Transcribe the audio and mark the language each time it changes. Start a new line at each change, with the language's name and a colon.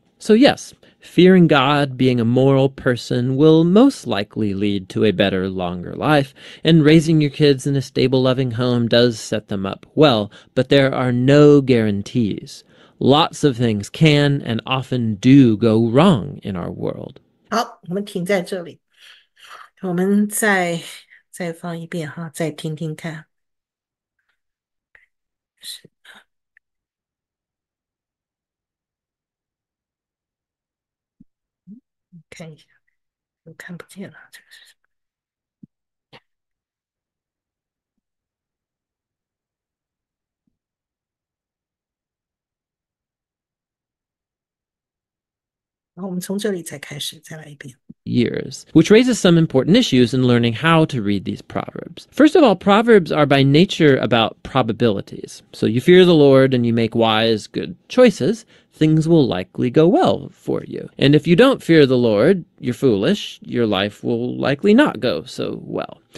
English: So, yes, fearing God, being a moral person, will most likely lead to a better, longer life, and raising your kids in a stable, loving home does set them up well, but there are no guarantees. Lots of things can and often do go wrong in our world.
Chinese: 好，我们停在这里，我们再放一遍哈，再听听看。是。看一下，我看不见了，这个是什么？然后我们从这里再开始，再来一遍。
English: Years, which raises some important issues in learning how to read these proverbs. First of all, proverbs are by nature about probabilities. So you fear the Lord and you make wise, good choices, things will likely go well for you. And if you don't fear the Lord, you're foolish, your life will likely not go so well.